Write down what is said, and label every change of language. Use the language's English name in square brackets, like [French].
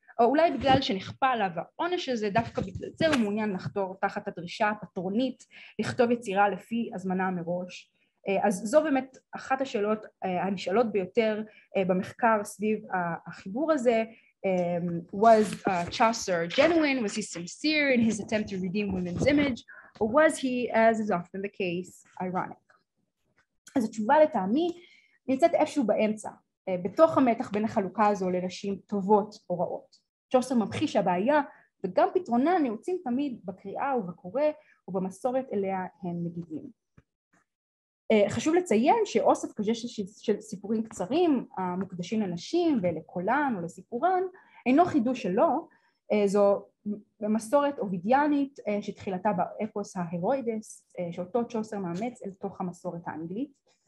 [Hebrew] או אולי בגלל שנכפה עליו העונש הזה, דווקא בגלל זה הוא מעוניין לחתור תחת הדרישה הפטרונית לכתוב יצירה לפי הזמנה מראש? אז זו באמת אחת השאלות הנשאלות ביותר במחקר סביב החיבור הזה. [English] Was Chaucer genuine? Was he sincere in his attempt to redeem women's image? Or was he, as is often the case, ironic? [Hebrew] אז התשובה לטעמי נמצאת איפשהו באמצע, בתוך המתח בין החלוקה הזו לנשים טובות או רעות. צ'וסר ממחיש הבעיה וגם פתרונה נעוצים תמיד בקריאה ובקורא ובמסורת אליה הם מגיבים. חשוב לציין שאוסף כזה של סיפורים קצרים המוקדשים לנשים ולקולן או לסיפורן אינו חידוש שלו, זו מסורת אובידיאנית שתחילתה באפוס ההרוידס שאותו צ'וסר מאמץ אל תוך המסורת האנגלית.